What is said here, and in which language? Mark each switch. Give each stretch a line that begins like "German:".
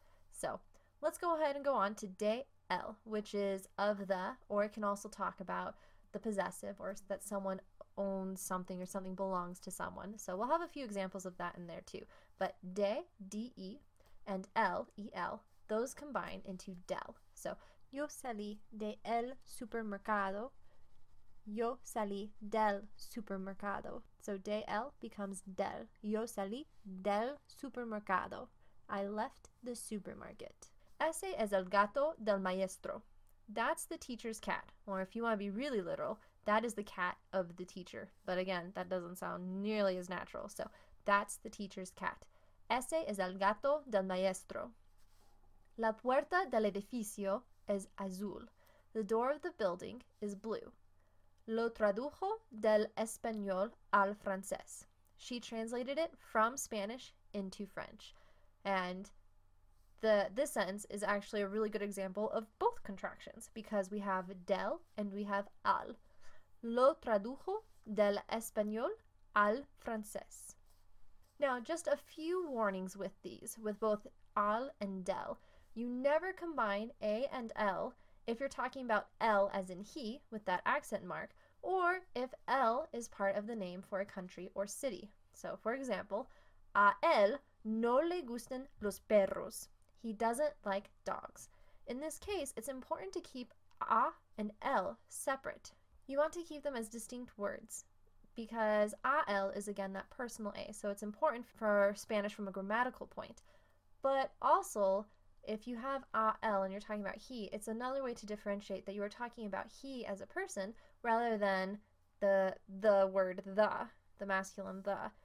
English: So let's go ahead and go on to day L, which is of the, or it can also talk about the possessive, or that someone owns something or something belongs to someone. So we'll have a few examples of that in there too. But de, D-E, and L, E-L, those combine into del. So
Spanish: yo salí de el supermercado. Yo salí del supermercado.
English: So
Spanish: de el
English: becomes
Spanish: del. Yo salí del supermercado.
English: I left the supermarket.
Spanish: Ese es el gato del maestro.
English: That's the teacher's cat. Or if you want to be really literal, that is the cat of the teacher. But again, that doesn't sound nearly as natural. So that's the teacher's cat.
Spanish: Ese es el gato del maestro. La puerta del edificio es azul.
English: The door of the building is blue.
Spanish: Lo tradujo del español al francés.
English: She translated it from Spanish into French. And this sentence is actually a really good example of both contractions, because we have del and we have al.
Spanish: Lo tradujo del español al francés.
English: Now, just a few warnings with these, with both al and del. You never combine A and L if you're talking about L as in he, with that accent mark, or if L is part of the name for a country or city. So, for example,
Spanish: a él no le gustan los perros.
English: He doesn't like dogs. In this case, it's important to keep a and el separate. You want to keep them as distinct words because a el is again that personal a, so it's important for Spanish from a grammatical point. But also, if you have a el and you're talking about he, it's another way to differentiate that you are talking about he as a person rather than the word the masculine the.